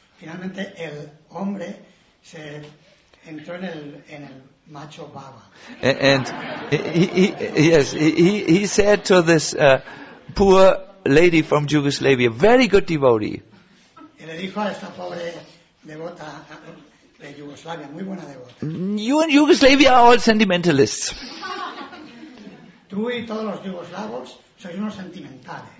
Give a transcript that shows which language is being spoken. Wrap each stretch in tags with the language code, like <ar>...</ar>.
<es>Finalmente el hombre se entró en el macho baba.</es> <en>And he said to this poor lady from Yugoslavia, very good devotee.</en> <es>Y le dijo a esta pobre devota de Yugoslavia, muy buena devota.</es> <en>You and Yugoslavia are all sentimentalists.</en> <es>Tú y todos los yugoslavos sois unos sentimentales.</es>